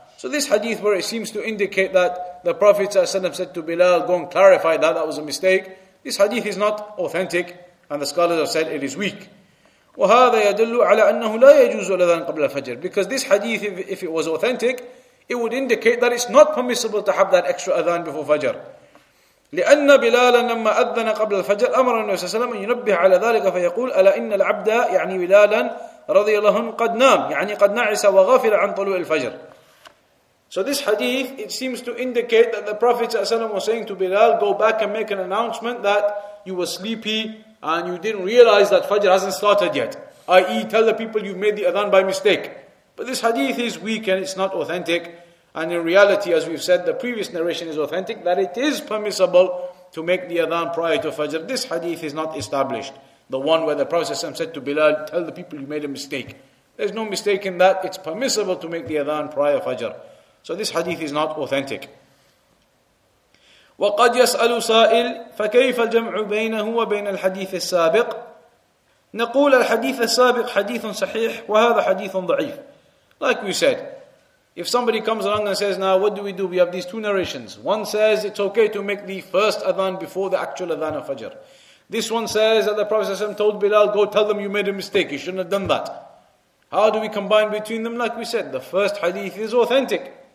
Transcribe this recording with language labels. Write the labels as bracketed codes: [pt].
[en] So this hadith where it seems to indicate that the Prophet said to Bilal, go and clarify that, that was a mistake. This hadith is not authentic, and the scholars have said it is weak. [ar] وَهَذَا يَدُلُّ عَلَىٰ أَنَّهُ لَا يَجُوزُ الْأَذَانِ قَبْلَ الْفَجْرِ. [en] Because this hadith, if it was authentic, it would indicate that it's not permissible to have that extra adhan before Fajr. [ar] لأن بلالا لما أذن قبل الفجر أمر النبي صلى الله عليه وسلم أن ينبه على ذلك فيقول ألا إن العبد يعني بلالا رضي الله عنه قد نام يعني قد نعس وغافل عن طلوع الفجر. [en] So this hadith, it seems to indicate that the Prophet صلى الله عليه وسلم was saying to Bilal, go back and make an announcement that you were sleepy and you didn't realize that Fajr hasn't started yet. I.e. tell the people you made the adhan by mistake. But this hadith is weak and it's not authentic. And in reality, as we've said, the previous narration is authentic, that it is permissible to make the adhan prior to Fajr. This hadith is not established. The one where the Prophet said to Bilal, tell the people you made a mistake. There's no mistake in that. It's permissible to make the adhan prior to Fajr. So this hadith is not authentic. [ar] وَقَدْ يَسْأَلُ سَائِلْ فَكَيْفَ الْجَمْعُ بَيْنَهُ وَبَيْنَ الْحَدِيثِ السَّابِقِ. نقول الحديث السابق حديث صحيح وهذا حديث ضعيف. [en] Like we said, if somebody comes along and says, now what do? We have these two narrations. One says it's okay to make the first adhan before the actual adhan of Fajr. This one says that the Prophet ﷺ told Bilal, go tell them you made a mistake, you shouldn't have done that. How do we combine between them? Like we said, the first hadith is authentic.